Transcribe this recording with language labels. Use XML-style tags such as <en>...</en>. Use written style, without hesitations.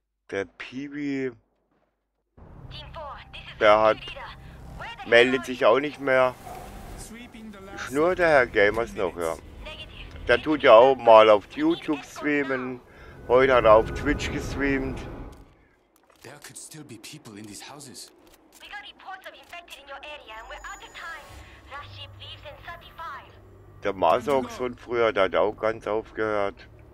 <de>Der Peewee, der hat, meldet sich auch nicht mehr. Ist nur der Herr Gamers noch, ja. Der tut ja auch mal auf YouTube streamen. Heute hat er auf Twitch gestreamt.</de> <en>There could still be people in these houses. We got reports of infected in your area and we're out of time. Last ship leaves in 35.</en> <de>Der Masox von früher, der hat auch ganz aufgehört.</de>